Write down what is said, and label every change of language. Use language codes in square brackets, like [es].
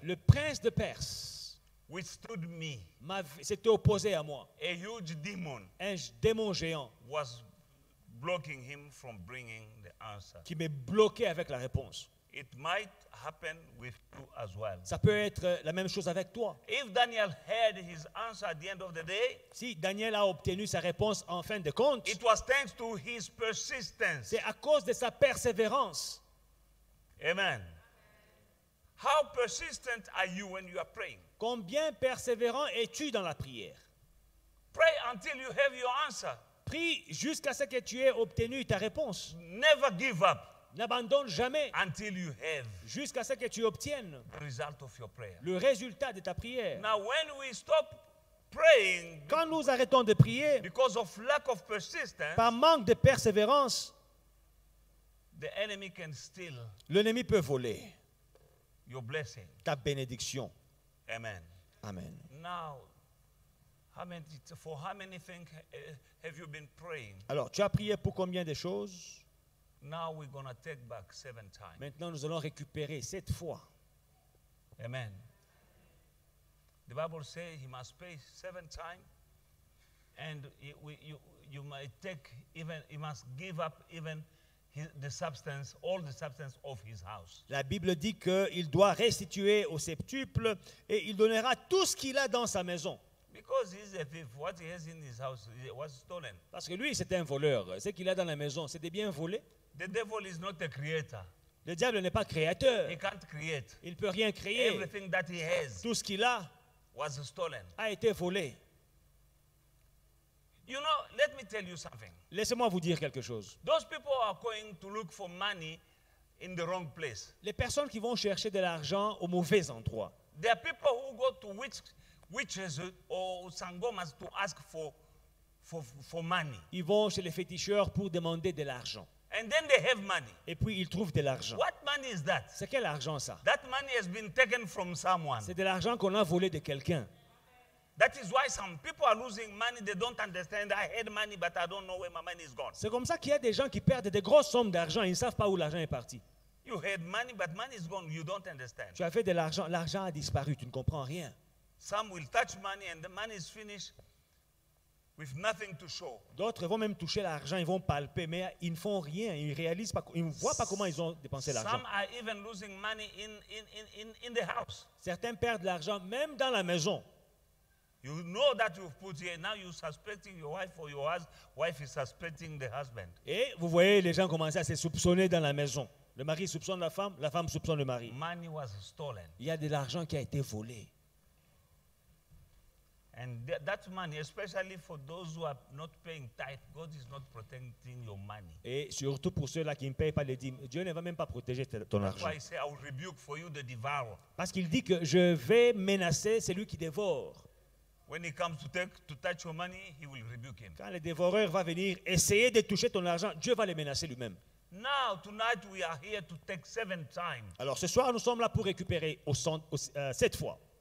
[fr] le prince de Perse [en] which stood me, [fr] s'était opposé à moi. [en] A huge demon, [fr] un démon géant [en] was blocking him from bringing the answer. [fr] Qui m'est bloqué avec la réponse. [en] It might happen with you as well. [fr] Ça peut être la même chose avec toi. [en] If Daniel had his answer at the end of the day, [fr] si Daniel a obtenu sa réponse en fin de compte, [en] it was thanks to his persistence. [fr] C'est à cause de sa persévérance. Amen. [en] How persistent are you when you are praying? [fr] Combien persévérant es-tu dans la prière? [en] Pray until you have your answer. [fr] Prie jusqu'à ce que tu aies obtenu ta réponse. [en] Never give up. [fr] N'abandonne jamais [en] until you have [fr] jusqu'à ce que tu obtiennes [en] the result of your prayer. [fr] Le résultat de ta prière. [en] Now, when we stop praying, [fr] quand nous arrêtons de prier [en] because of lack of persistence, [fr] par manque de persévérance, [en] the enemy can steal, [fr] l'ennemi peut voler [en] your blessing, [fr] ta bénédiction. Amen. Amen. [en] Now, how many, for how many things have you been praying? [fr] Alors, tu as prié pour combien de choses? [en] Now we're gonna take back seven times. [fr] Maintenant, nous allons récupérer sept fois. Amen. [en] The Bible says he must pray seven times, and you might take even he must give up even the substance, all the substance of his house. [fr] La Bible dit que il doit restituer au septuple et il donnera tout ce qu'il a dans sa maison. [en] Because he's a thief, what he has in his house was stolen. [fr] Parce que lui, c'était un voleur. Ce qu'il a dans la maison, c'était bien volé. [en] The devil is not a creator. [fr] Le diable n'est pas créateur. [en] He can't create. [fr] Il peut rien créer. [en] Everything that he has, [fr] tout ce qu'il a, [en] was stolen. [fr] A été volé. [en] You know, let me tell you something. [fr] Laissez-moi vous dire quelque chose. [en] Those people are going to look for money in the wrong place. [fr] Les personnes qui vont chercher de l'argent au mauvais endroit. [en] There are people who go to witches or sangomas to ask for money. [fr] Ils vont chez les féticheurs pour demander de l'argent. [en] And then they have money. [fr] Et puis ils trouvent de l'argent. [en] What money is that? [fr] C'est quel argent ça? [en] That money has been taken from someone. [fr] C'est de l'argent qu'on a volé de quelqu'un. [en] That is why some people are losing money. They don't understand. I had money, but I don't know where my money is gone. [fr] C'est comme ça qu'il y a des gens qui perdent des grosses sommes d'argent. Ils ne savent pas où l'argent est parti. [en] You had money, but money is gone. You don't understand. [fr] Tu as fait de l'argent. L'argent a disparu. Tu ne comprends rien. [en] Some will touch money and the money is finished. with nothing to show. [fr] D'autres vont même toucher l'argent, ils vont palper, mais ils ne font rien, ils réalisent pas, ils ne voient pas comment ils ont dépensé l'argent. [en] Some are even losing money in the house. [fr] Certains perdent de l'argent même dans la maison. [en] You know that you've put here, now you're suspecting your wife or your wife is suspecting the husband. [fr] Et vous voyez les gens commencer à se soupçonner dans la maison. Le mari soupçonne la femme soupçonne le mari. [en] Money was stolen. [fr] Il y a de l'argent qui a été volé. [en] And that money, especially for those who are not paying tithe, God is not protecting your money. [fr] Et surtout pour ceux-là qui ne payent pas les dîmes, Dieu ne va même pas protéger ton argent. [en] That's why he said, I will rebuke for you the devourer. [fr] Parce qu'il dit que je vais menacer celui qui dévore. [en] When he comes to take to touch your money, he will rebuke him. [fr] Quand le dévoreur va venir essayer de toucher ton argent, Dieu va le menacer lui-même. [en] Now tonight we are here to take seven times. [fr] Alors ce soir nous sommes là pour récupérer sept fois.